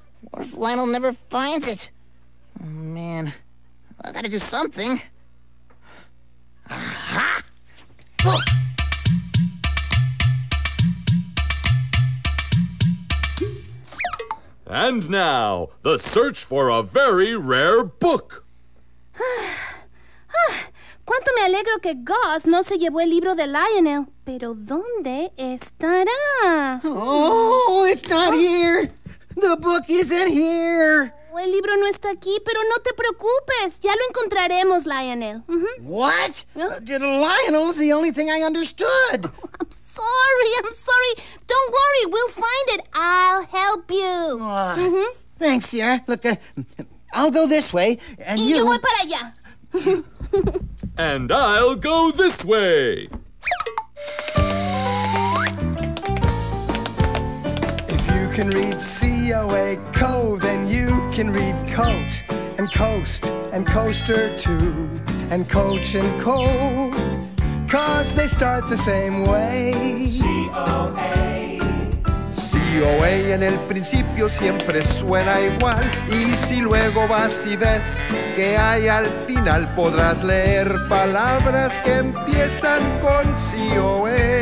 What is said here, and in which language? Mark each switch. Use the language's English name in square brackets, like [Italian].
[English] What if Lionel never finds it? Oh, man. I gotta do something. Aha! Oh. And now, the search for a very rare book. [Spanish] ¿Cuánto me alegro que Gus no se llevó el libro de Lionel? ¿Pero dónde estará? [English] Oh, it's not here. The book isn't here. [Spanish] El libro no está aquí, pero no te preocupes. Ya lo encontraremos, Lionel. [English] What? Lionel is the only thing I understood. I'm sorry. Don't worry, we'll find it. I'll help you. Thanks, Sierra. Look, I'll go this way, and [Spanish] yo voy para allá. [English] And I'll go this way. If you can read COA Co, then you can read coat and coast and coaster too, and coach and co, 'cause they start the same way. COA [Spanish] en el principio siempre suena igual, y si luego vas y ves que hay al final, podrás leer palabras que empiezan con COA.